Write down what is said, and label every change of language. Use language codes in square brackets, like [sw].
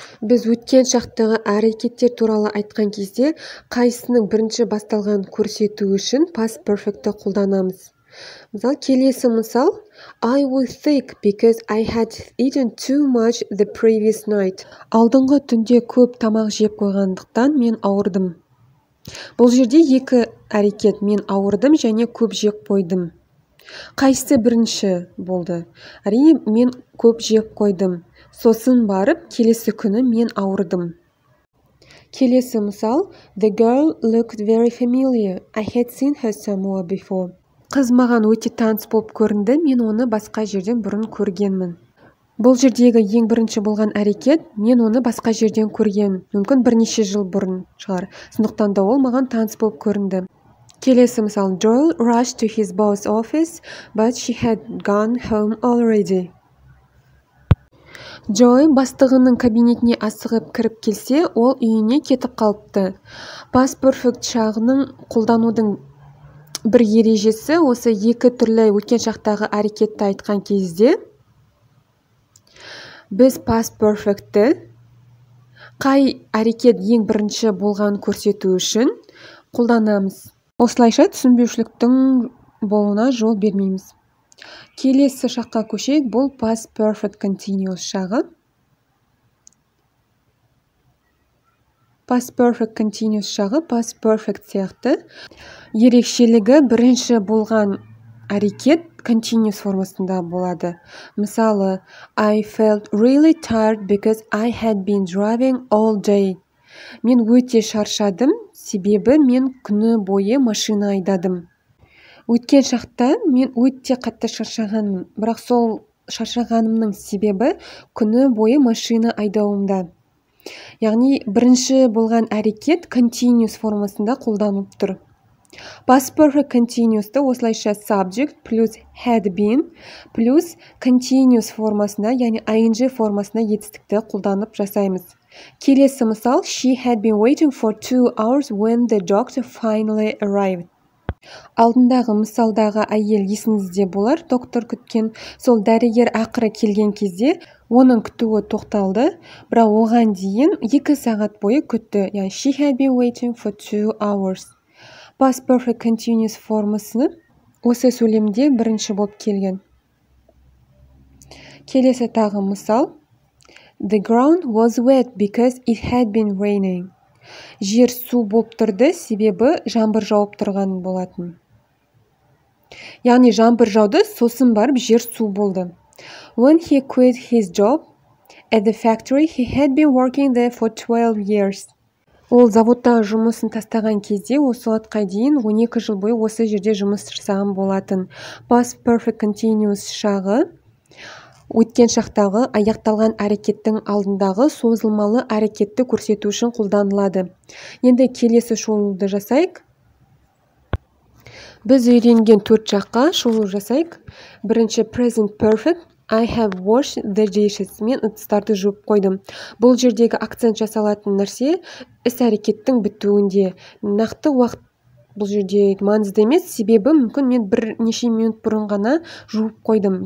[kk] Біз өткен шақтығы әрекеттер туралы айтқан кезде, қайсының бірінші басталғанын көрсету үшін past perfect-ті қолданамыз. Мысал, келесі мысал, [en] I was sick because I had eaten too much the previous night. [kk] Алдыңғы түнде көп тамақ жеп қойғандықтан мен ауырдым. Бұл жерде екі әрекет, мен ауырдым және көп жеп қойдым. Қайсы бірінші болды? Әрине, мен көп жеп қойдым. Сосын барып, келесі күні мен ауырдым. Келесі мысал, [en] The girl looked very familiar. I had seen her somewhere before. [kk] Қыз маған өте таныс болып көрінді, мен оны басқа жерден бұрын көргенмін. Бұл жердегі ең бірінші болған әрекет, мен оны басқа жерден көрген, мүмкін бірнеше жыл бұрын шығар. Сондықтан да ол маған таныс болып көрінді. Келесі мысал, [en] Joel rushed to his boss's office, but she had gone home already. [kk] Джой бастығының кабинетіне асығып кіріп келсе, ол үйіне кетіп қалыпты. Past perfect шағының қолданудың бір ережесі осы екі түрлі өткен шақтағы әрекетті айтқан кезде, біз past perfect-ті қай әрекет ең бірінші болғанын көрсету үшін қолданамыз. Осылайша түсінбеушіліктің болуына жол бермейміз. Келесі шаққа көшейік, бұл past perfect continuous шағы. Past perfect continuous шағы past perfect сияқты. Ерекшелігі бірінші болған әрекет continuous формасында болады. Мысалы, [en] I felt really tired because I had been driving all day. [kk] Мен өте шаршадым, себебі мен күні бойы машина айдадым. Өткен шақта мен өте қатты шаршағанмын, бірақ сол шаршағанымның себебі күні бойы машина айдауымда. Яғни, бірінші болған әрекет continuous формасында қолданып тұр. Past perfect continuous-ты осылайша [en] subject plus had been plus continuous [kk] формасына, яғни ing формасына етістікті қолданып жасаймыз. Келесі мысал, [en] she had been waiting for 2 hours when the doctor finally arrived. [kk] Алдындағы мысалдағы әйел есіңізде болар, доктор күткен, сол дәрігер ақыры келген кезде оның күтуі тоқталды, бірақ оған дейін 2 сағат бойы күтті. [en] Yani, she had been waiting for 2 hours. [kk] Past perfect continuous формасыны осы сөйлемде бірінші болып келген. Келесі тағы мысал. [en] The ground was wet because it had been raining. [kk] Жер су болып тұрды, себебі жаңбыр жауып тұрған болатын. Яғни жаңбыр жауды, сосын барып жер су болды. [en] When he quit his job at the factory, he had been working there for 12 years. [kk] Ол заводта жұмысын тастаған кезде, осы уақытқа дейін 12 жыл бойы осы жерде жұмыс жасаған болатын. Past perfect continuous шағы өткен шақтағы аяқталған әрекеттің алдындағы созылмалы әрекетті көрсету үшін қолданылады. Енді келесі шолуды жасайық. Біз үйренген 4 жаққа шолу жасайық. Бірінші [en] present perfect. I have washed the dishes. [kk] Мен ыдыстарды жуып қойдым. Бұл жердегі акцент жасалатын нәрсе іс-әрекеттің бітуінде. Нақты уақыт бұл жерде маңызды емес, себебі мүмкін мен бірнеше минут бұрын ғана жуып қойдым.